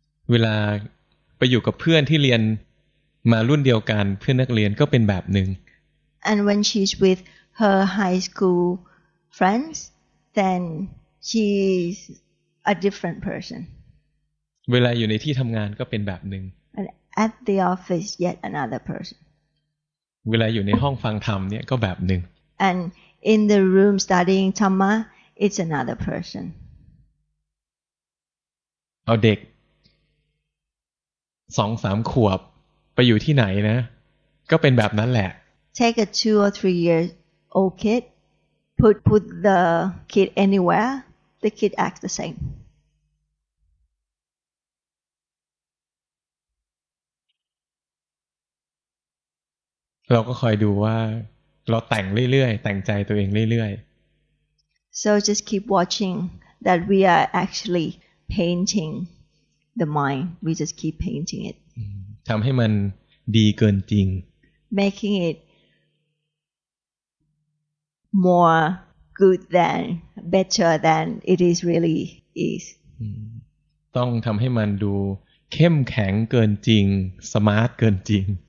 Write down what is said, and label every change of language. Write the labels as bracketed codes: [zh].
[th] เวลาไปอยู่กับเพื่อนที่เรียนมารุ่นเดียวกันเพื่อนนักเรียนก็เป็นแบบหนึ่ง [en] and when she's with her high school friends then she's a different person [th] เวลาอยู่ในที่ทำงานก็เป็นแบบหนึ่ง [en] and at the office yet another person [th] เวลาอยู่ในห้องฟังธรรมเนี่ยก็แบบหนึ่ง [en] andIn the room studying Dhamma, it's another person. [th] เอาเด็ก 2-3 ขวบไปอยู่ที่ไหนนะก็เป็นแบบนั้นแหละ [en] Take a 2 or 3 year old kid, put the kid anywhere, the kid acts the same. [th] เราก็คอยดูว่าเราแต่งเรื่อยๆแต่งใจตัวเองเรื่อย [en] ๆ So just keep watching that we are actually painting the mind. We just keep painting it. [th] ทำให้มันดีเกินจริง [en] Making it more good than better than it is really is. [th] ต้องทำให้มันดูเข้มแข็งเกินจริงสมาร์ทเกินจริง